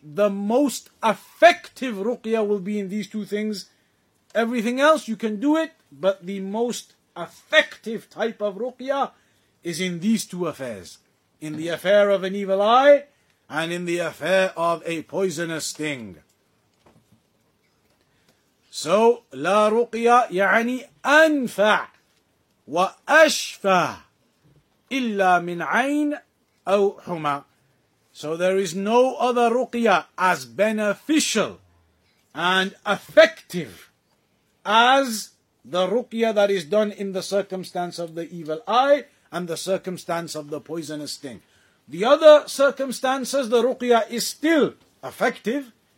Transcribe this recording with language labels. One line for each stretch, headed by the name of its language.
English: the most effective ruqya will be in these two things. Everything else, you can do it, but the most effective type of ruqya is in these two affairs. In the affair of an evil eye, and in the affair of a poisonous sting.
Arabic: So, لا رقيا يعني أنفع وأشفى إلا من عين أو حمى.
English: So there is no other ruqya as beneficial and effective as the ruqya that is done in the circumstance of the evil eye and the circumstance of the poisonous sting. The other circumstances, the ruqya is still effective.